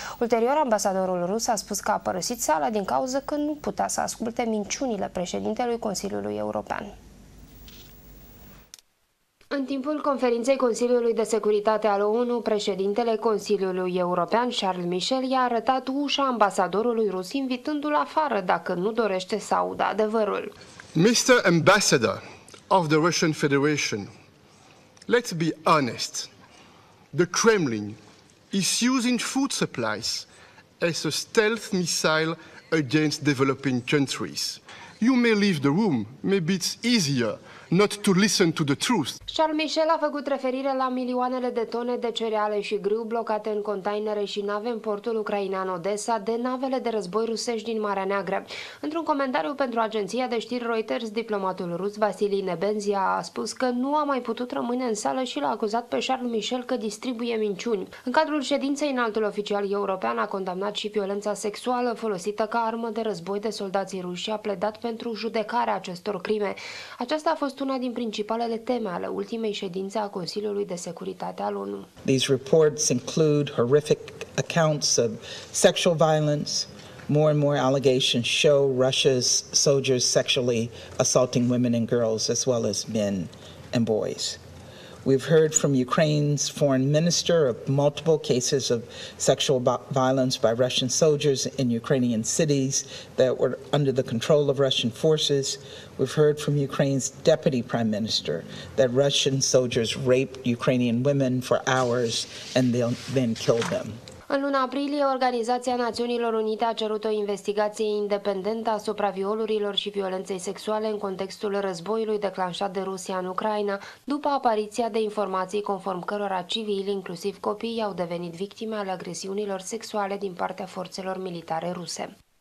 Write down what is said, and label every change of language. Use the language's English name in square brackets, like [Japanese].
[Romanian] Ulterior, ambasadorul rus a spus că a părăsit sala din cauza că nu putea să asculte minciunile președintelui Consiliului European. În timpul conferinței Consiliului de Securitate al ONU, președintele Consiliului European, Charles Michel, i-a arătat ușa ambasadorului rus, invitându-l afară dacă nu dorește să audă adevărul. [English] Mr. Ambassador of the Russian Federation, let's be honest. The Kremlin is using food supplies as a stealth missile against developing countries. You may leave the room, maybe it's easier not to listen to the truth. [Romanian] Charles Michel a făcut referire la milioanele de tone de cereale și grâu blocate în containere și nave în portul ucrainean Odessa de navele de război rusești din Marea Neagră. Într-un comentariu pentru agenția de știri Reuters, diplomatul rus Vasili Nebenzia a spus că nu a mai putut rămâne în sală și l-a acuzat pe Charles Michel că distribuie minciuni. În cadrul ședinței, înaltul oficial european a condamnat și violența sexuală folosită ca armă de război de soldații ruși și a pledat pentru judecarea acestor crime. Aceasta a fost una din principalele teme ale ultimei ședințe a Consiliului de Securitate al ONU. [English] These reports include horrific accounts of sexual violence. More and more allegations show Russia's soldiers sexually assaulting women and girls as well as men and boys. We've heard from Ukraine's foreign minister of multiple cases of sexual violence by Russian soldiers in Ukrainian cities that were under the control of Russian forces. We've heard from Ukraine's deputy prime minister that Russian soldiers raped Ukrainian women for hours and then killed them. [Romanian] În luna aprilie, Organizația Națiunilor Unite a cerut o investigație independentă asupra violurilor și violenței sexuale în contextul războiului declanșat de Rusia în Ucraina, după apariția de informații conform cărora civili, inclusiv copii, au devenit victime ale agresiunilor sexuale din partea forțelor militare ruse.